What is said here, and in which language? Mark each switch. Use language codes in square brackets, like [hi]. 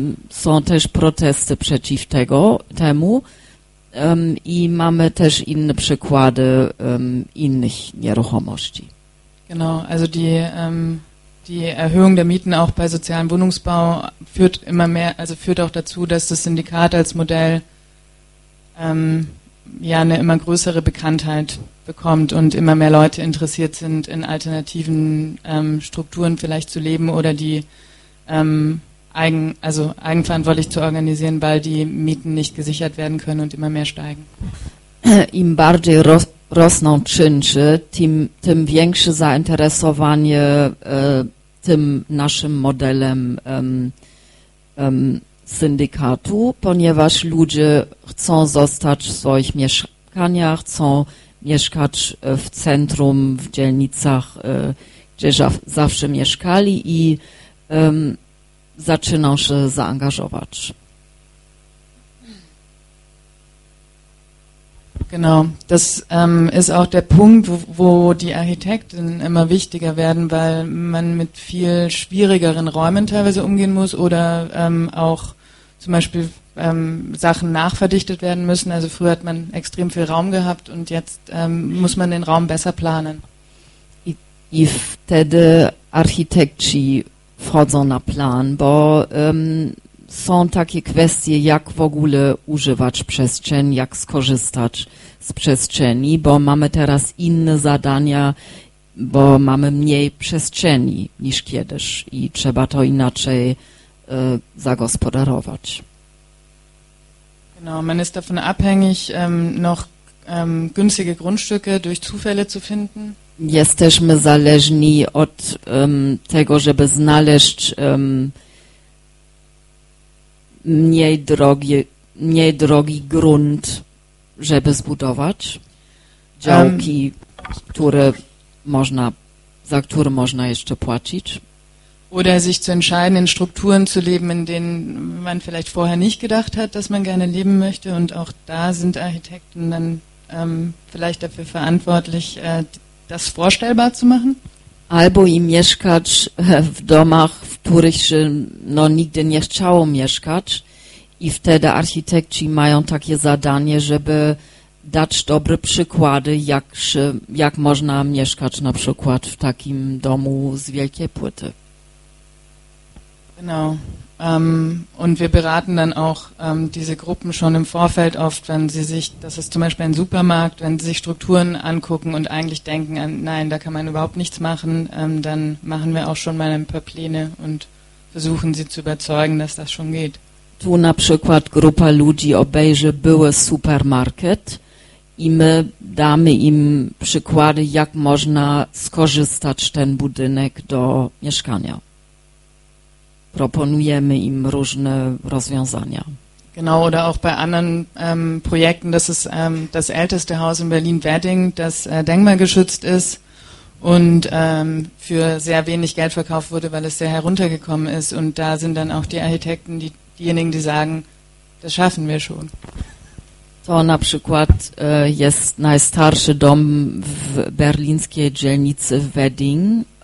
[pl] Są też protesty przeciw temu. I mamy też inne przykłady innych nieruchomości. [de] Genau, also die Erhöhung der Mieten auch bei sozialem Wohnungsbau führt immer mehr, also führt auch dazu, dass das Syndikat als Modell eine immer größere Bekanntheit bekommt und immer mehr Leute interessiert sind, in alternativen Strukturen vielleicht zu leben oder die eigenverantwortlich zu organisieren, weil die Mieten nicht gesichert werden können und immer mehr steigen. [pl] Im bardziej rosną czynsze, tym większe zainteresowanie tym naszym modelem syndykatu, ponieważ ludzie chcą zostać w swoich mieszkaniach, chcą mieszkać w centrum, w dzielnicach, gdzie zawsze mieszkali i zaczynał się zaangażować. [de] Genau, das ist auch der Punkt, wo die Architekten immer wichtiger werden, weil man mit viel schwierigeren Räumen teilweise umgehen muss oder auch zum Beispiel Sachen nachverdichtet werden müssen. Also früher hat man extrem viel Raum gehabt und jetzt muss man den Raum besser planen. [pl] I wtedy architekci wchodzą na plan, bo są takie kwestie, jak w ogóle używać przestrzeń, jak skorzystać z przestrzeni, bo mamy teraz inne zadania, bo mamy mniej przestrzeni niż kiedyś i trzeba to inaczej zagospodarować. [de] Genau, man ist davon abhängig, noch günstige Grundstücke durch Zufälle zu finden. [pl] Jesteśmy zależni od tego, żeby znaleźć mniej drogi grunt, żeby zbudować działki, za które można jeszcze płacić. [de] Oder sich zu entscheiden, in Strukturen zu leben, in denen man vielleicht vorher nicht gedacht hat, dass man gerne leben möchte. Und auch da sind Architekten dann vielleicht dafür verantwortlich, das vorstellbar zu machen. [pl] Albo i mieszkać w domach, w których się nigdy nie chciało mieszkać. I wtedy architekci mają takie zadanie, żeby dać dobre przykłady, jak można mieszkać na przykład w takim domu z wielkiej płyty. [de] Genau. Und wir beraten dann auch diese Gruppen schon im Vorfeld oft, wenn sie sich, das ist zum Beispiel ein Supermarkt, wenn sie sich Strukturen angucken und eigentlich denken, nein, da kann man überhaupt nichts machen, dann machen wir auch schon mal ein paar Pläne und versuchen sie zu überzeugen, dass das schon geht. [pl] Tu na przykład grupa ludzi obejrzy były supermarket i my damy im przykłady, jak można skorzystać ten budynek do mieszkania. Proponujemy im różne rozwiązania. [de] Genau, oder auch bei anderen Projekten, das ist das älteste Haus in Berlin-Wedding, das denkmalgeschützt ist und für sehr wenig Geld verkauft wurde, weil es sehr heruntergekommen ist. Und da sind dann auch die Architekten, diejenigen, die sagen, das schaffen wir schon. [pl] To na przykład jest najstarszy dom w berlińskiej dzielnicy Wedding.